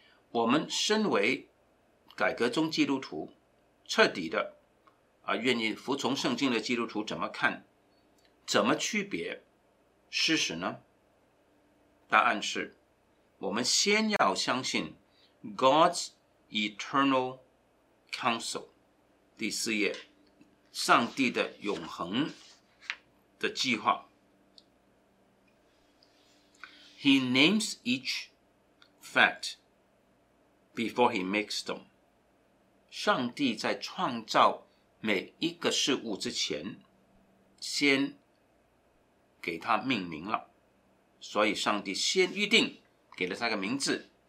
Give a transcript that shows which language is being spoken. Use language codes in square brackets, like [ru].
[zh] 我们身为改革中基督徒，彻底的愿意服从圣经的基督徒，怎么看，怎么区别事实呢？答案是，我们先要相信 [en] God's eternal counsel， [zh] 第4页，上帝的永恒的计划。 [en] He names each fact before he makes them。 [zh] 上帝在创造每一个事物之前，先给他命名了，所以上帝先预定给了他个名字。